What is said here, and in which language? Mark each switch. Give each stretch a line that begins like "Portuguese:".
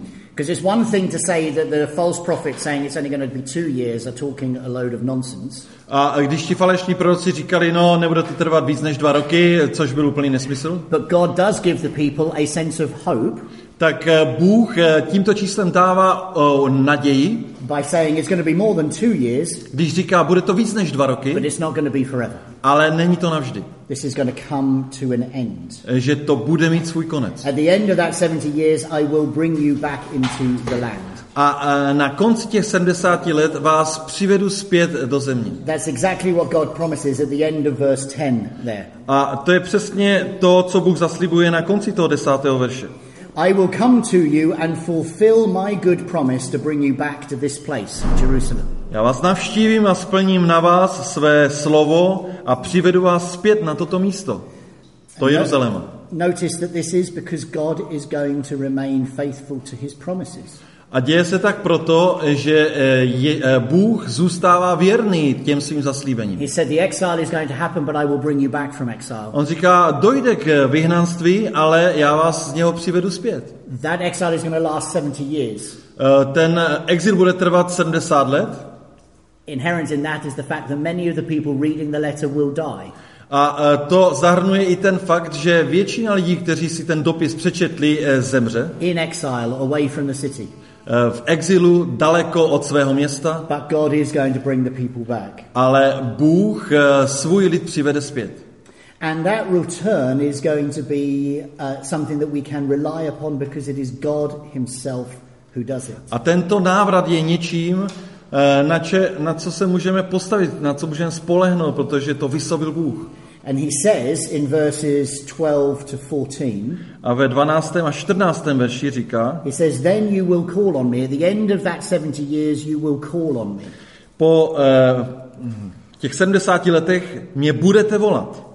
English: Because it's one thing to say that the false prophet saying it's only going to be 2 years are talking a load of nonsense.
Czech: A když ti falešní proroci říkali, no, nebude to trvat víc než 2 roky, což byl úplný nesmysl.
English: But God does give the people a sense of hope.
Czech: Tak Bůh tímto číslem dává naději.
English: By saying it's going to be more than 2 years.
Czech: Když říká, bude to víc než 2 roky.
English: But it's not going to be forever.
Czech: Ale není to navždy.
English: This is going to come to an end.
Czech: Že to bude mít svůj konec.
English: At the end of that 70 years, I will bring you back into the land.
Czech: A na konci těch 70 let vás přivedu zpět do země.
English: That's exactly what God promises at the end of verse 10 there.
Czech: A to je přesně to, co Bůh zaslibuje na konci toho 10. verše.
English: I will come to you and fulfill my good promise to bring you back to this place, Jerusalem.
Czech: Já vás navštívím a splním na vás své slovo a přivedu vás zpět na toto místo, do Jeruzaléma.
English: Notice that this is because God is going to remain faithful to his promises.
Czech: A děje se tak proto, že Bůh zůstává věrný těm svým zaslíbením.
English: He said the exile is going to happen, but I will bring you back from exile.
Czech: On říká, dojde k vyhnanství, ale já vás z něho přivedu zpět.
English: That exile is going to last 70 years.
Czech: Ten exil bude trvat 70 let.
English: Inherent in that is the fact that many of the people reading the letter will die.
Czech: A to zahrnuje i ten fakt, že většina lidí, kteří si ten dopis přečetli, zemře.
English: In exile, away from the city.
Czech: V exilu, daleko od svého města.
English: But God is going to bring the people back.
Czech: Ale Bůh svůj lid přivede zpět.
English: And that return is going to be something that we can rely upon because it is God himself who does it.
Czech: A tento návrat je něčím, na co se můžeme postavit, na co můžeme spolehnout, protože to vyslovil Bůh.
English: And he says in verses 12 to 14.
Czech: A ve 12. a 14. verši říká.
English: He says, then you will call on me. At the end of that 70 years, you will call on me.
Czech: Po těch 70 letech mě budete volat.